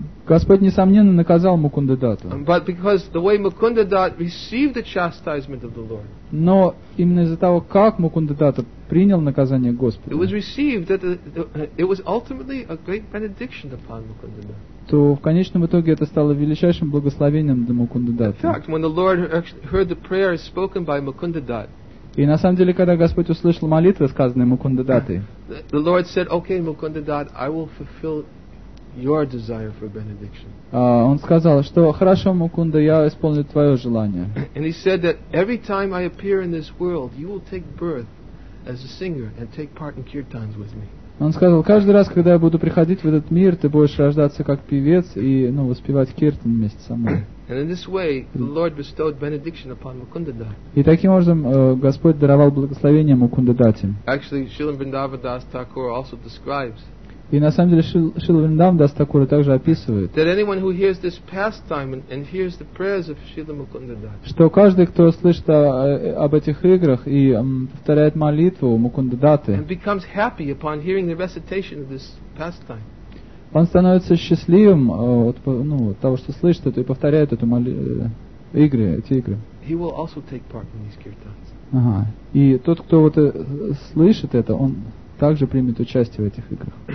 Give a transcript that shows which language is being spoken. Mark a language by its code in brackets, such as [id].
[ru] Господь несомненно наказал Мукунда Датту. [en] But because the way Mukunda Datt received the chastisement of the Lord. [ru] Но именно из-за того, как Мукунда Датта принял наказание Господа. [en] It was received that it was ultimately a great benediction upon Mukunda Datt. [ru] То в конечном итоге это стало величайшим благословением для Мукунда Датта. [en] In fact, when the Lord actually heard the prayer spoken by Mukunda Datt. [ru] И на самом деле, когда Господь услышал молитвы, сказанные Мукунда Даттой, [en] the Lord said, "Okay, Mukunda Datt, I will fulfill your desire for benediction." [ru] Он сказал, что хорошо, Мукунда, я исполню твое желание. [en] And he said that every time I appear in this world, you will take birth as a singer and take part in kirtans with me. [ru] Он сказал, каждый раз, когда я буду приходить в этот мир, ты будешь рождаться как певец и, воспевать киртан вместе со мной. [en] And in this way, the Lord bestowed benediction upon Mukunda Datt. [ru] И таким образом Господь даровал благословение Мукунда Датте. [en] Actually, Srila Vrindavan Das Thakur also describes. [ru] И на самом деле Шрила Вриндаван Дас Такур также описывает. [en] That anyone who hears this pastime and hears the prayers of Srila Mukunda Datt. [ru] Что каждый, кто слышит об этих играх и повторяет молитву Мукунда Датты. [en] And becomes happy upon hearing the recitation of this pastime. [ru] Он становится счастливым от того, что слышит это и повторяет эту игры, эти игры. [en] he will also take part in these kirtans. Ага. [ru] И тот, кто вот слышит это, он также примет участие в этих играх.